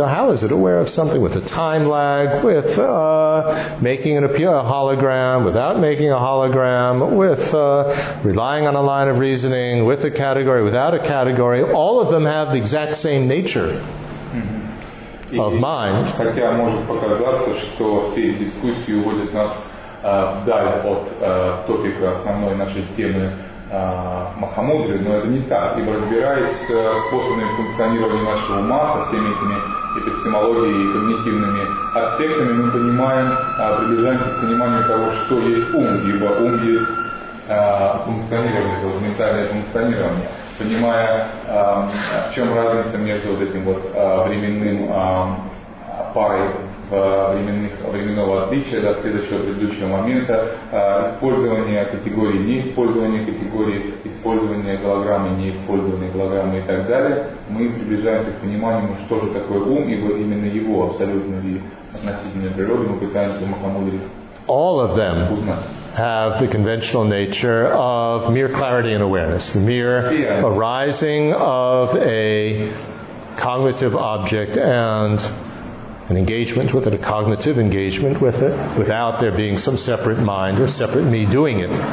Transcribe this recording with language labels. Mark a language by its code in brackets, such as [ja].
[en] So how is it aware of something with a time lag, with making an appeal, a hologram, without making a hologram, with relying on a line of reasoning, with a category, without a category? All of them have the exact same nature. Of mind. [ru] Хотя может показаться, что все дискуссии уводят нас вдаль от топика основной нашей темы Махамудры, но это не так. Ибо разбираясь с способами функционирования нашего ума, со всеми этими эпистемологией и когнитивными аспектами, мы понимаем, приближаемся к пониманию того, что есть ум, ибо ум есть функционирование, это ментальное функционирование. Понимая, в чем разница между вот этим вот временным парой временного отличия, да, следующего предыдущего момента, использование категории, неиспользование категории, использование голограммы, неиспользование голограммы и так далее, мы приближаемся к пониманию, что же такое ум, ибо именно его абсолютно и относительно природы мы пытаемся махамудри. [en] All of them have the conventional nature of mere clarity and awareness, the mere arising of a cognitive object and an engagement with it, a cognitive engagement with it, without there being some separate mind or separate me doing it.